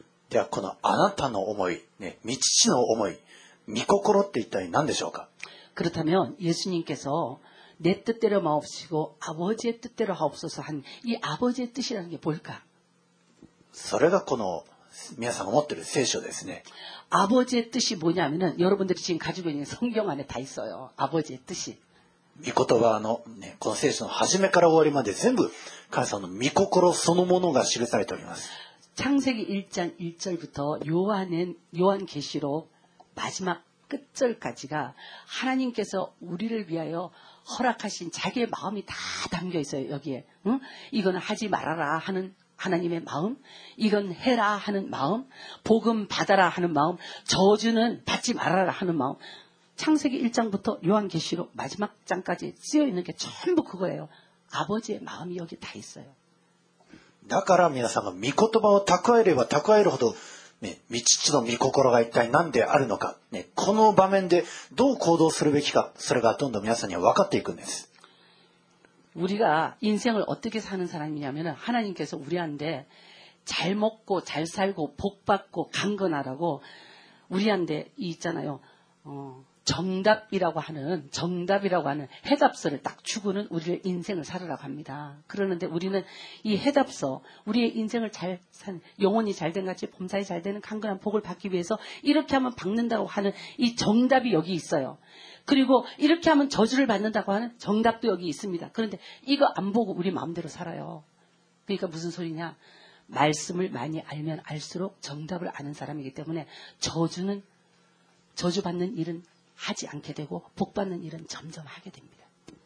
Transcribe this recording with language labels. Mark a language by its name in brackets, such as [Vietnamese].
[Japanese] では、このあなたの思い、ね、御父の思い、御心って一体何でしょうか？ [Korean] 그렇다면、イエス님께서、내뜻대로마옵시고、아버지의뜻대로하옵소서한、이아버지의뜻이라는게뭘까？ [Japanese] それがこの、皆さんが持ってる聖書ですね。 [Korean] 아버지의뜻이뭐냐면은여러분들이지금가지고있는성경안에다있어요아버지의뜻이 [Japanese] 미言葉の、ね、この聖書の始めから終わりまで全部神様の御心そのものが記されております [Korean] 창세기1장1절부터요한계시록마지막끝절까지가하나님께서우리를위하여허락하신자기의마음이다담겨있어요여기에응이거는하지말아라하는하나님의마음이건해라하는마음복음받아라하는마음저주는받지말아라하는마음창세기1장부터요한계시록마지막장까지쓰여있는게전부그거예요 아버지의마음이여기다있어요 [Japanese] だから皆さんが御言葉を蓄えれば蓄えるほど、ね、御父の御心が一体何であるのか、ね、この場面でどう行動するべきか、それがどんどん皆さんには分かっていくんです。 [Korean] 우리가인생을어떻게사는사람이냐면하나님께서우리한테잘먹고잘살고복받고강건하라고우리한테이있잖아요정답이라고하는정답이라고하는해답서를딱주고는우리의인생을살으라고합니다그러는데우리는이해답서우리의인생을잘산영혼이잘된같이범사에잘되는강건한복을받기위해서이렇게하면받는다고하는이정답이여기있어요그리고이렇게하면저주를받는다고하는정답도여기있습니다그런데이거안보고우리마음대로살아요그러니까무슨소리냐말씀을많이알면알수록정답을아는사람이기때문에저주받는일은하지않게되고복받는일은점점하게됩니다